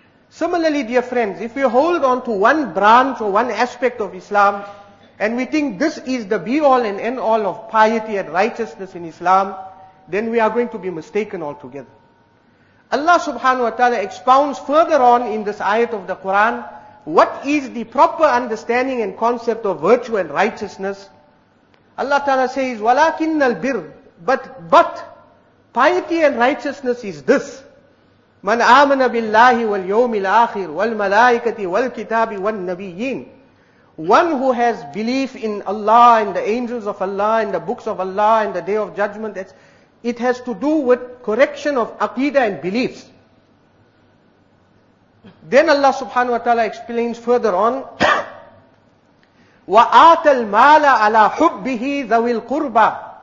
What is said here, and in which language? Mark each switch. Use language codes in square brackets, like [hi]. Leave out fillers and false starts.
[en] Similarly, dear friends, if we hold on to one branch or one aspect of Islam, and we think this is the be-all and end-all of piety and righteousness in Islam, then we are going to be mistaken altogether. Allah subhanahu wa ta'ala expounds further on in this ayat of the Quran, what is the proper understanding and concept of virtue and righteousness. Allah ta'ala says, [ar] وَلَكِنَّ الْبِرْ [en] but piety and righteousness is this, [ar] مَنْ آمَنَ بِاللَّهِ وَالْيَوْمِ الْآخِرِ وَالْمَلَائِكَةِ وَالْكِتَابِ وَالنَّبِيِّينَ. [en] One who has belief in Allah, in the angels of Allah, in the books of Allah, in the day of judgment, it has to do with correction of aqidah and beliefs. Then Allah subhanahu wa ta'ala explains further on, [ar] وَآتَ الْمَالَ عَلَىٰ حُبِّهِ ذَوِي الْقُرْبَىٰ.